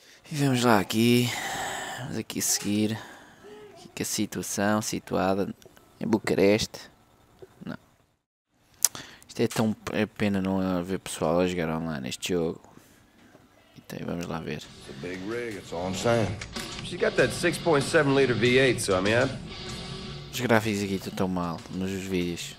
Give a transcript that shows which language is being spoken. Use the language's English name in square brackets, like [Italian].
[Portuguese] E vamos lá aqui. Vamos aqui seguir. Aqui que a situação situada em Bucareste. É tão é pena não haver pessoal a jogar online este jogo. Então vamos lá ver. [English] It's a big rig, that's all I'm saying. She got that 6.7 liter V8, so I mean, [Portuguese] os gráficos aqui estão tão mal nos vídeos.